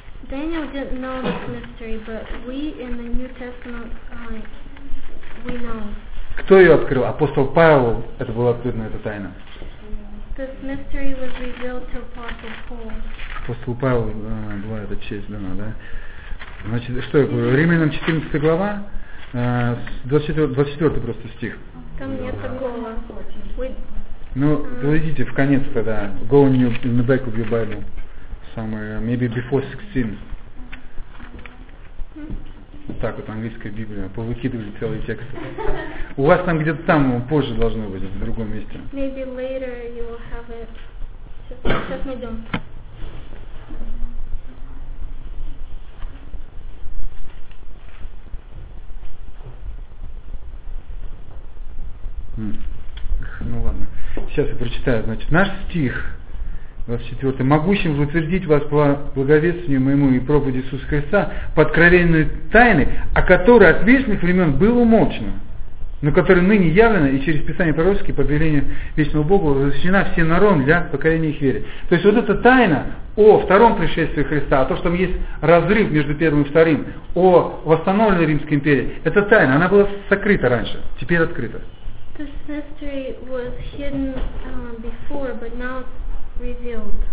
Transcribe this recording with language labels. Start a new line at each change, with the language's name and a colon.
English: Daniel didn't know this mystery, but we in the New Testament, we know.
Russian: Кто ее открыл? Апостол Павел, это была открыта эта тайна.
English: This mystery was revealed to Apostle Paul.
Russian: Апостолу Павлу была эта честь дана, да? Значит, что я говорю? Римлянам 14 глава, 24 просто стих. Там нет такого. Ну, идите в конец тогда.
English: Go in the back of your Bible. Somewhere, maybe before 16.
Russian: Так вот, английская Библия. Повыкидывали целые тексты. У вас там где-то там позже должно быть, в другом месте.
English: Maybe later you will have it.
Russian: Сейчас мы идем. Ну ладно. Сейчас я прочитаю. Значит, наш стих. 24. Могущим утвердить вас по благовествию моему и проповеди Иисуса Христа по откровенной тайны, о которой от вечных времен было умолчено, но которая ныне явлена и через Писание пророческое по повелению вечного Бога разрешена всем народам для покорения их вере. То есть вот эта тайна о втором пришествии Христа, о том, что там есть разрыв между первым и вторым, о восстановленной Римской империи, эта тайна, она была сокрыта раньше, теперь открыта.
English: This mystery was hidden before, but now revealed.